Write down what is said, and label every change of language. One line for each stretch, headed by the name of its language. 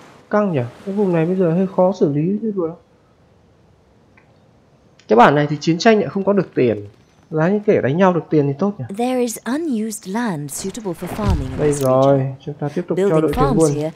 Vietnamese: Căng nhỉ, cái vùng này bây giờ hơi khó xử lý thế rồi. Cái bản này thì chiến tranh lại không có được tiền. Giá như kể đánh nhau được tiền thì tốt nhỉ.
English: There is unused land suitable for farming.
Vietnamese: Đây rồi, chúng ta tiếp tục cho đội thuyền buôn.